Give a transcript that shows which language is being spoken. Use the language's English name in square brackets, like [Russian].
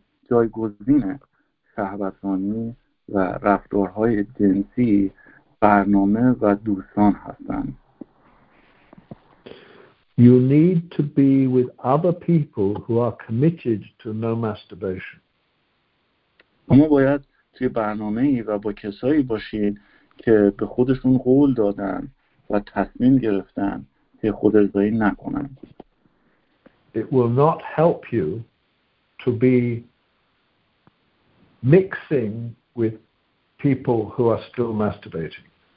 [Persian] جایگزین شهوتانی و رفتارهای جنسی برنامه و دوستان هستند. [English] You need to be with other people who are committed to no masturbation. [Persian] شما باید توی برنامه‌ای و با کسایی باشید که به خودشون قول دادن و تصمیم گرفتن که خودارضایی نکنن. [English] It will not help you to be mixing with people who are still masturbating.